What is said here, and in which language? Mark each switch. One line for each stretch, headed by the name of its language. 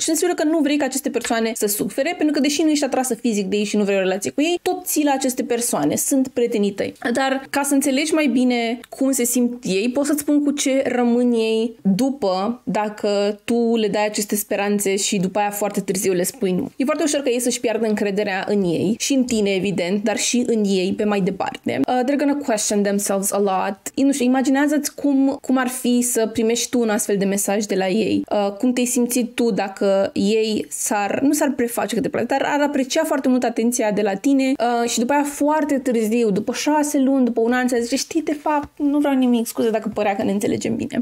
Romanian: Și înseamnă că nu vrei ca aceste persoane să sufere, pentru că deși nu ești atrasă fizic de ei și nu vrei o relație cu ei, tot ții la aceste persoane, sunt prietenii tăi. Dar ca să înțelegi mai bine cum se simt ei, pot să-ți spun cu ce rămân ei după dacă tu le dai aceste speranțe și după aia foarte târziu le spui nu. E foarte ușor ca ei să-și piardă încrederea în ei și în tine, evident, dar și în ei pe mai departe.
English: They're gonna question themselves a lot.
Romanian: Nu știu, imaginează-ți cum ar fi să primești tu un astfel de mesaj de la ei. Cum te-ai simți tu dacă ei s-ar preface cât de plăcut, dar ar aprecia foarte mult atenția de la tine și după aia foarte târziu, după 6 luni, după un an, ți-a zis, știi, de fapt, nu vreau nimic, scuze dacă părea că ne înțelegem bine.